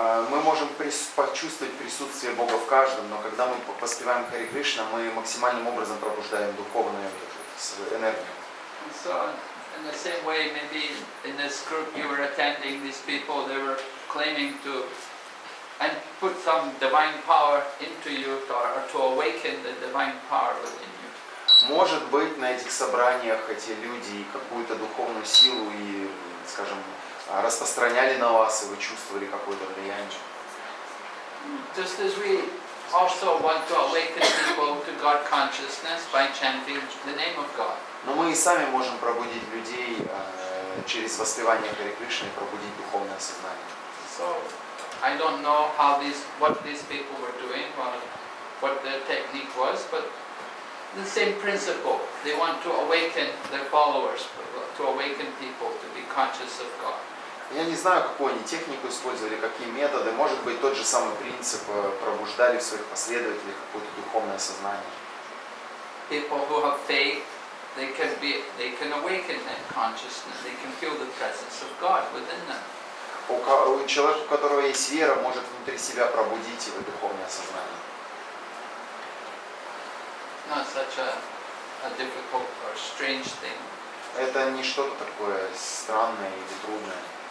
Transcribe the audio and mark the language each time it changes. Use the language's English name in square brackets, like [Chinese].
[Russian] Мы можем почувствовать присутствие Бога в каждом, но когда мы поспеваем Харе Кришна, мы максимальным образом пробуждаем духовную энергию. [English] So, in the same way, maybe in this group you were attending, these people, they were claiming to and put some divine power into you or to awaken the divine power within you. [Russian] Может быть, на этих собраниях эти люди какую-то духовную силу и, скажем, распространяли на вас, и вы чувствовали какое-то влияние. [English] Just as we also want to awaken people to God consciousness by chanting the name of God. [Russian] Но мы и сами можем пробудить людей через воспевание Харе Кришны, пробудить духовное сознание. [English] So, I don't know how these, what these people were doing, what their technique was, but the same principle. They want to awaken their followers, to awaken people to be conscious of God. [Russian] Я не знаю, какую они технику использовали, какие методы. Может быть, тот же самый принцип пробуждали в своих последователях какое-то духовное сознание. [English] People who have faith, they can awaken that consciousness. They can feel the presence of God within them. [Russian] У человека, у которого есть вера, может внутри себя пробудить его духовное сознание. [English] Not such a difficult or strange thing. [Russian] Это не что-то такое странное или трудное.